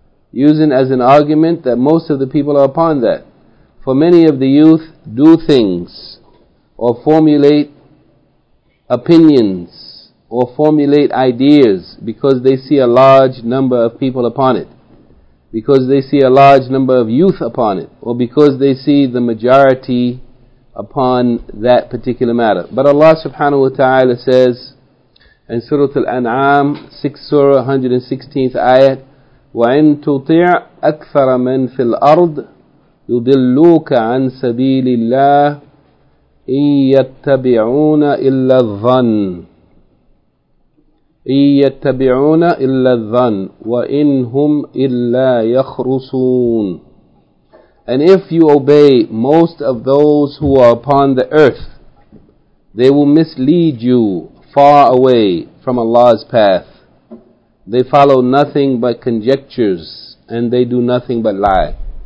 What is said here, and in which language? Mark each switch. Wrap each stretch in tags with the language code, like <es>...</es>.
<en>Using as an argument that most of the people are upon that. For many of the youth do things or formulate opinions or formulate ideas because they see a large number of people upon it, because they see a large number of youth upon it, or because they see the majority upon that particular matter. But Allah subhanahu wa ta'ala says in Surah Al-An'am, 6th Surah, 116th Ayat,</en> <ar>وَإِن تُطِعْ أَكْثَرَ مَن فِي الْأَرْضِ يُدِلُّوكَ عَن سَبِيلِ اللَّهِ إِن يَتَّبِعُونَ إِلَّا الظَّنِّ إِيَّتَّبِعُونَ إِلَّا الظَّنِّ وَإِنْ هُمْ إِلَّا يَخْرُصُونَ.</ar> <en>And if you obey most of those who are upon the earth, they will mislead you far away from Allah's path. They follow nothing but conjectures, and they do nothing but lie.</en>